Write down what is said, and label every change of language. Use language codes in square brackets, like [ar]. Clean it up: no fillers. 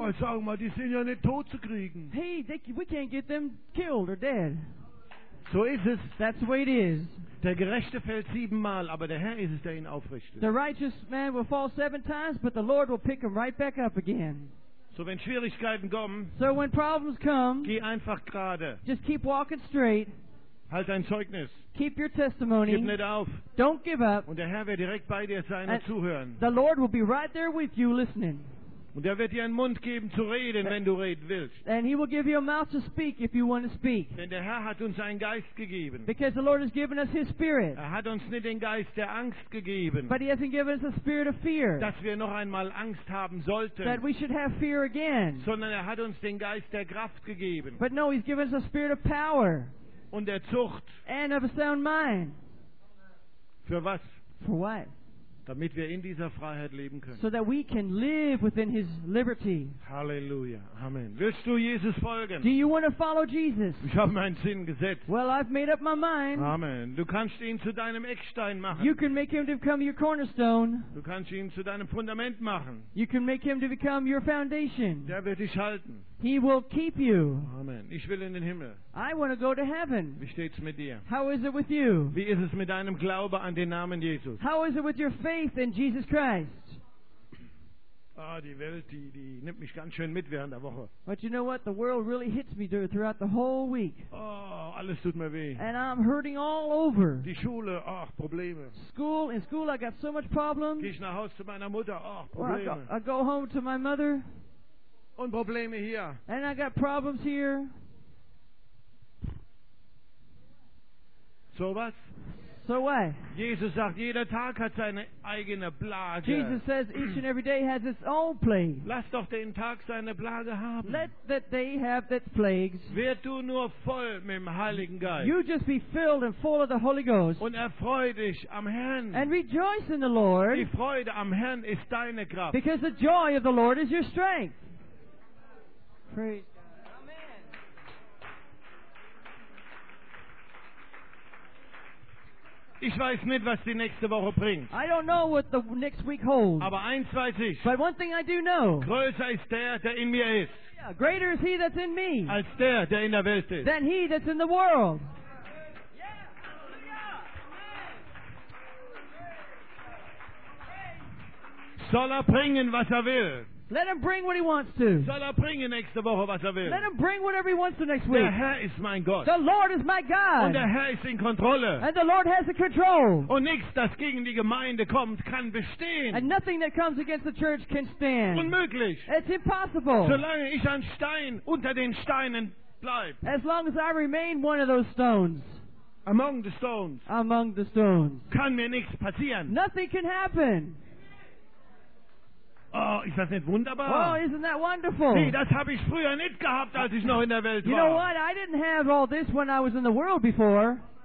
[de] Oh, sag mal, die sind ja nicht tot zu kriegen. [en] Hey, we can't get them killed or dead. [de] So ist es. [en] That's the way it is. [de] Der Gerechte fällt siebenmal, aber der Herr ist es, der ihn aufrichtet. [en] The righteous man will fall seven times, but the Lord will pick him right back up again. [de] So wenn Schwierigkeiten kommen, [en] so when problems come, [de] geh einfach gerade. [en] Just keep walking straight. [de] Halt dein Zeugnis. [en] Keep your testimony. [de] Gib nicht auf. [en] Don't give up. [de] Und der Herr wird direkt bei dir sein und zuhören. [en] The Lord will be right there with you listening. [de] Und er wird dir einen Mund geben zu reden, wenn du reden willst. [en] And he will give you a mouth to speak if you want to speak. [de] Denn der Herr hat uns einen Geist gegeben. [en] Because the Lord has given us his spirit. [de] Er hat uns nicht den Geist der Angst gegeben. [en] But he hasn't given us a spirit of fear. [de] Dass wir noch einmal Angst haben sollten. [en] That we should have fear again. [de] Sondern er hat uns den Geist der Kraft gegeben. [en] But no, he's given us a spirit of power. [de] Und der Zucht. [en] And of a sound mind. [de] Für was? [en] For what? [de] Damit wir in dieser Freiheit leben können. [en] So that we can live within his liberty. [de] Halleluja. Amen. Willst du Jesus folgen? [en] Do you want to follow Jesus? [de] Ich habe meinen Sinn gesetzt. [en] Well, I've made up my mind. [de] Amen. Du kannst ihn zu deinem Eckstein machen. [en] You can make him to become your cornerstone. [de] Du kannst ihn zu deinem Fundament machen. [en] You can make him to become your foundation. [de] Der wird dich halten. [en] He will keep you. [de] Amen. Ich will in den Himmel. [en] I want to go to heaven. [de] Wie steht's mit dir? [en] How is it with you? [de] Wie ist es mit deinem Glaube an den Namen Jesus? [en] How is it with your faith in Jesus Christ? [de] Ah, oh, die Welt, die nimmt mich ganz schön mit während der Woche. [en] But you know what? The world really hits me throughout the whole week. [de] Oh, alles tut mir weh. [en] And I'm hurting all over. [de] Die Schule, ach, Probleme. [en] School, in school I got so much problems. [de] Geh ich nach Hause zu meiner Mutter, ach, Probleme. [en] Well, I go home to my mother. [de] Und Probleme hier. [en] And I got problems here. [de] So was? [en] So what? [de] Jesus sagt, jeder Tag hat seine eigene Plage. [en] Jesus says each and every day has its own plague. [de] Lass doch den Tag seine Plage haben. [en] Let that day have its plagues. [de] Werd du nur voll mit dem Heiligen Geist. [en] You just be filled and full of the Holy Ghost. [de] Und erfreu dich am Herrn. [en] And rejoice in the Lord. [de] Die Freude am Herrn ist deine Kraft. [en] Because the joy of the Lord is your strength. Praise God. Amen. [de] Ich weiß nicht, was die nächste Woche bringt. [en] I don't know what the next week holds. [de] Aber eins weiß ich. [en] But one thing I do know. [de] Größer ist der, der in mir ist. [en] Yeah, greater is he that's in me. [de] Als der, der in der Welt ist. [en] Than he that's in the world. [de] Yeah. Soll er bringen, was er will. [en] Let him bring what he wants to. [de] Soll er bringen nächste Woche, was er will. [en] Let him bring whatever he wants to next week. [de] Der Herr ist mein Gott. [en] The Lord is my God. [de] Und der Herr ist in Kontrolle. [en] And the Lord has the control. [de] Und nichts, das gegen die Gemeinde kommt, kann bestehen. [en] And nothing that comes against the church can stand. [de] Unmöglich. [en] It's impossible. [de] Solange ich ein Stein unter den Steinen bleibe. [en] As long as I remain one of those stones. Among the stones. Among the stones. [de] Kann mir nichts passieren. [en] Nothing can happen. [de] Oh, ist das nicht wunderbar? [en] Oh, isn't that wonderful? [de] Nee, das habe ich früher nicht gehabt, als ich noch in der Welt war. [en] You know what? I didn't have all this when I was in the world before.